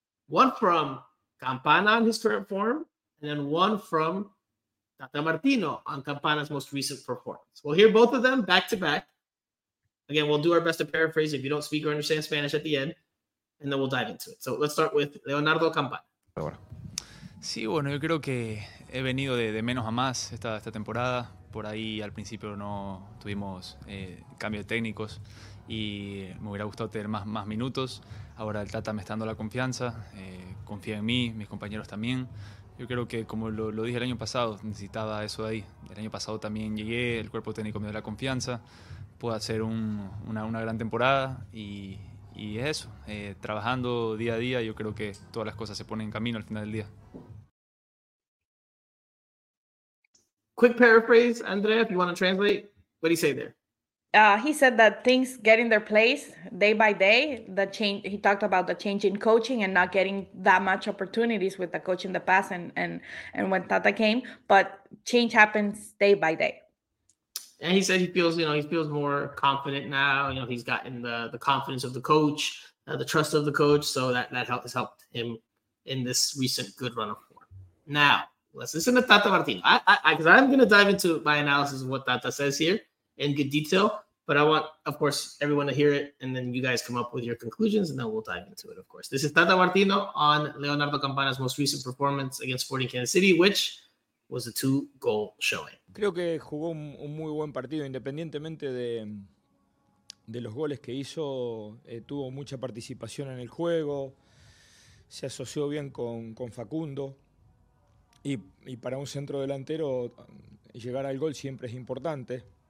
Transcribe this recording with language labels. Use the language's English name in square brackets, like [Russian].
[English] One from Campana in his current form, and then one from Tata Martino on Campana's most recent performance. We'll hear both of them back to back. Again, we'll do our best to paraphrase if you don't speak or understand Spanish at the end, and then we'll dive into it. So let's start with Leonardo Campana. [Spanish] Sí, bueno, yo creo que he venido de menos a más esta temporada. Por ahí al principio no tuvimos cambio de técnicos y me hubiera gustado tener más minutos. Ahora el Tata me está dando la confianza, confía en mí, mis compañeros también. Yo creo que, como lo dije el año pasado, necesitaba eso de ahí. El año pasado también llegué, el cuerpo técnico me dio la confianza. Puedo hacer una gran temporada y es eso. Trabajando día a día, yo creo que todas las cosas se ponen en camino al final del día. [English] Quick paraphrase, Andrea, if you want to translate, what did he say there? He said that things get in their place day by day. The change, he talked about the change in coaching and not getting that much opportunities with the coach in the past and when Tata came, but change happens day by day. And he said he feels more confident now. You know, he's gotten the confidence of the coach, the trust of the coach, so that has helped him in this recent good run of form. Now, let's listen to Tata Martino. I'm going to dive into my analysis of what Tata says here in good detail, but I want, of course, everyone to hear it, and then you guys come up with your conclusions, and then we'll dive into it, of course. This is Tata Martino on Leonardo Campana's most recent performance against Sporting Kansas City, which was a two-goal showing. [Spanish] Creo que jugó un muy buen partido, independientemente de los goles que hizo. Tuvo mucha participación en el juego, se asoció bien con Facundo, y para un centro delantero llegar al gol siempre es importante.